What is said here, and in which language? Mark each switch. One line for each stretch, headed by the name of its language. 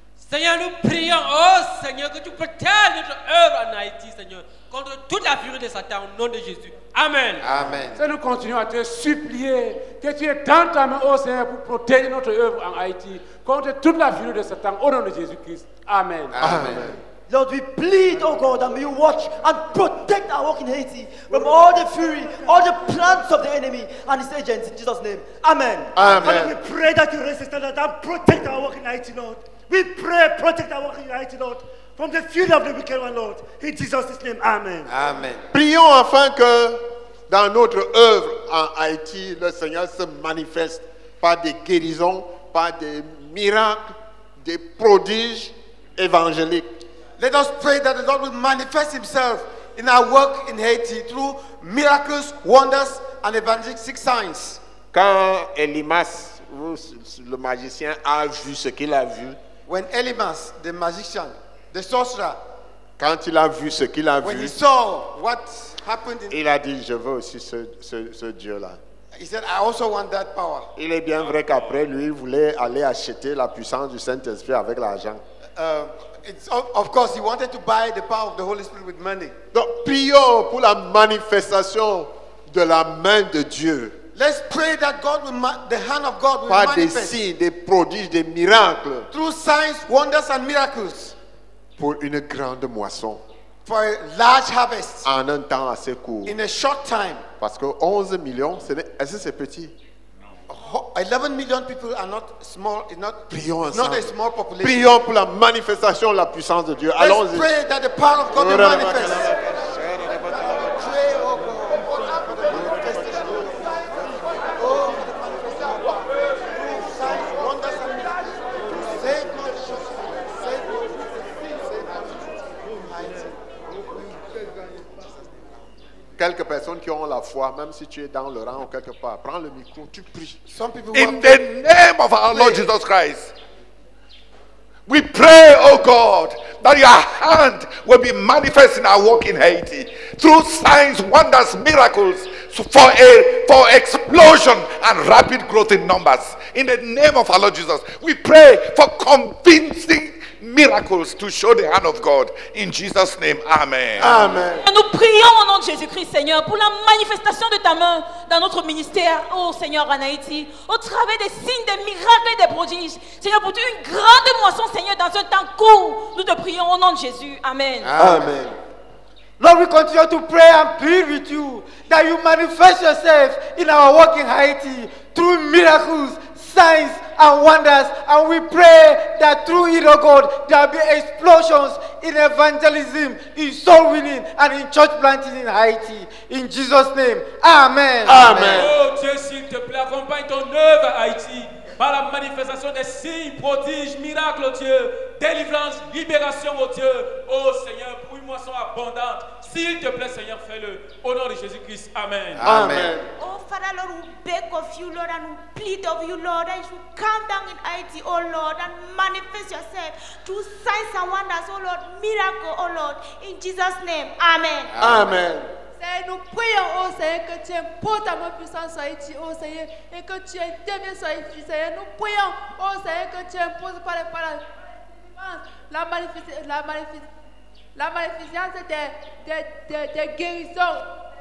French: Seigneur, nous prions, oh Seigneur, que tu protèges notre œuvre en Haïti, Seigneur, contre toute la furie de Satan, au nom de Jésus. Amen. Amen. Seigneur, nous continuons à te supplier que tu aies dans ta main, oh Seigneur, pour protéger notre œuvre en Haïti, contre toute la furie de Satan, au nom de Jésus-Christ. Amen. Amen. Amen.
English: Lord, we plead, oh God, that may you watch and protect our work in Haiti from all the fury, all the plans of the enemy and his agents, in Jesus' name. Amen. Amen. Father, we pray that you raise the standard and protect our work in Haiti, Lord. We pray, protect our work in Haiti, Lord, from the fury of the wicked one, Lord. In Jesus' name, amen. Amen.
French: Prions afin que dans notre œuvre en Haïti, le Seigneur se manifeste par des guérisons, par des miracles, des prodiges évangéliques.
English: Let us pray that the Lord will manifest himself in our work in Haiti through miracles, wonders, and evangelistic signs.
French: Quand Elimas, le magicien, a vu ce qu'il a vu,
English: when Elimas, the magician, the sorcerer,
French: quand il a vu ce qu'il a
English: when
French: vu,
English: he saw what happened in
French: il a dit, je veux aussi ce Dieu-là.
English: He said, I also want that power.
French: Il est bien vrai qu'après lui, il voulait aller acheter la puissance du Saint-Esprit avec l'argent.
English: It's of course, he wanted to buy the power of the Holy Spirit with money.
French: Donc, prions pour la manifestation de la main de Dieu.
English: Let's pray that God will the hand of God will
French: par
English: manifest.
French: Par des signes, des prodiges, des miracles.
English: Through signs, wonders, and miracles.
French: Pour une grande moisson.
English: For a large harvest.
French: En un temps assez court.
English: In a short time.
French: Parce que 11 millions, est-ce que c'est petit?
English: 11 million people are not small. It's not,
French: prions
English: it's not a small population.
French: Prions pour la manifestation de la puissance de Dieu.
English: Let's
French: allons-y.
English: Let's pray that the power of God will
French: Quelques personnes qui ont la foi, même si tu es dans le rang ou quelque part, prends le micro, tu pries.
English: Some people in the name of our Lord Jesus Christ, we pray, oh God, that your hand will be manifest in our work in Haiti through signs, wonders, miracles, for explosion and rapid growth in numbers. In the name of our Lord Jesus, we pray for convincing miracles to show the hand of God. In Jesus' name, amen. Amen.
French: Nous prions au nom de Jésus-Christ, Seigneur, pour la manifestation de ta main dans notre ministère, oh Seigneur, en Haïti, au travers des signes, des miracles et des prodiges. Seigneur, pour une grande moisson, Seigneur, dans un temps court, nous te prions au nom de Jésus. Amen. Amen.
English: Lord, we continue to pray and plead with you that you manifest yourself in our work in Haiti through miracles, signs, and wonders, and we pray that through it, oh God, there will be explosions in evangelism, in soul winning, and in church planting in Haiti. In Jesus' name, amen. Amen.
French: Oh, Dieu, s'il te plaît, accompagne ton œuvre à Haïti par la manifestation des signes, prodiges, miracles, oh Dieu, délivrance, libération, oh Dieu. Oh Seigneur, pour une moisson abondante, s'il te plaît, Seigneur, fais-le. Au nom de Jésus-Christ, amen. Amen. Oh,
English: Father, Lord, we beg of you, Lord, and we plead of you, Lord, that you should come down in Haiti, oh Lord, and manifest yourself to signs and wonders, oh Lord, miracle, oh Lord, in Jesus' name, amen. Amen.
French: Seigneur, nous prions, oh Seigneur, que tu imposes ta main puissante sur Haïti, oh Seigneur, et que tu interviennes sur Haïti, Seigneur. Nous prions, oh Seigneur, que tu imposes par les paroles la magnificence des guérisons.